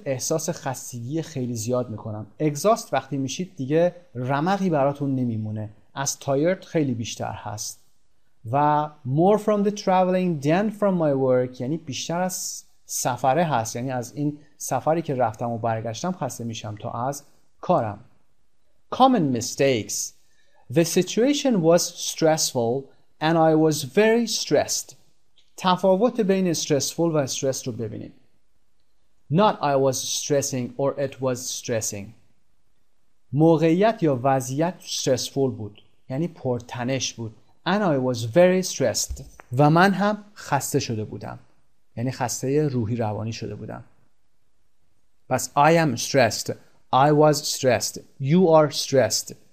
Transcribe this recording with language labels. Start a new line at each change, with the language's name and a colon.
Persian: احساس خستگی خیلی زیاد میکنم. Exhaust وقتی میشید دیگه رمقی براتون نمیمونه. از tired خیلی بیشتر هست. و
English: more from the traveling than from my work
Persian: یعنی بیشتر از سفره هست. یعنی از این سفری که رفتم و برگشتم خسته میشم تا از کارم.
English: Common mistakes. The situation was stressful and I was very stressed.
Persian: تفاوت بین stressful و stressed رو ببینید.
English: Not I was stressing or it was stressing.
Persian: موقعیت یا وضعیت stressful بود. یعنی پرتنش بود.
English: And I was very stressed.
Persian: و من هم خسته شده بودم. یعنی خسته روحی روانی شده بودم. پس
English: I am stressed. I was stressed. You are stressed.